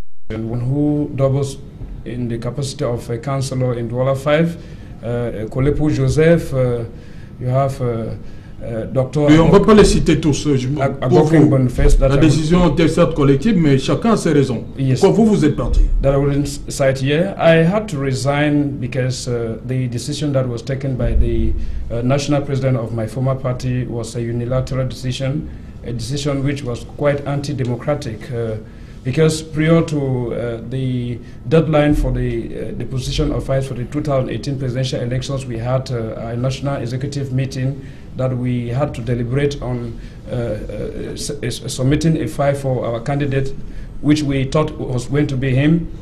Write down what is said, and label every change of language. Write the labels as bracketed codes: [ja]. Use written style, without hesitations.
[en] And one who doubles in the capacity of a councillor in Douala 5, Kolepo Joseph, you have [fr] mais on ne va pas les citer tous. La décision était certes collective, mais chacun a ses raisons. [en] Yes. [fr] Pourquoi vous êtes parti? [en] That I wouldn't cite here. I had to resign because the decision that was taken by the national president of my former party was a unilateral decision, a decision which was quite anti-democratic. Because prior to the deadline for the deposition of vice for the 2018 presidential elections, we had a national executive meeting that we had to deliberate on submitting a file for our candidate, which we thought was going to be him.